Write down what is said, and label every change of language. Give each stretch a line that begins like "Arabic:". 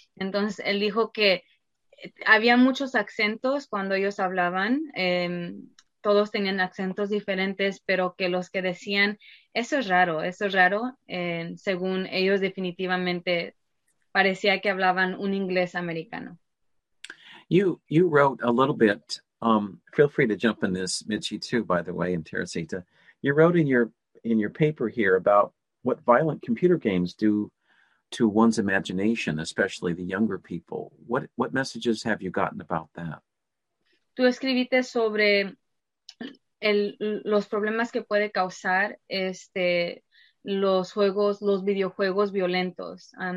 Spanish: Entonces, él dijo que había muchos acentos cuando ellos hablaban. Todos tenían acentos diferentes, pero que los que decían, eso es raro. Según ellos, definitivamente parecía que hablaban un inglés americano.
English: You wrote a little bit. Feel free to jump in this, Michi, too, by the way, and Teresita. You wrote in your paper here about what violent computer games do to one's imagination, especially the younger people. What messages have you gotten about that?
Spanish: Tú escribiste sobre los problemas que puede causar los videojuegos violentos.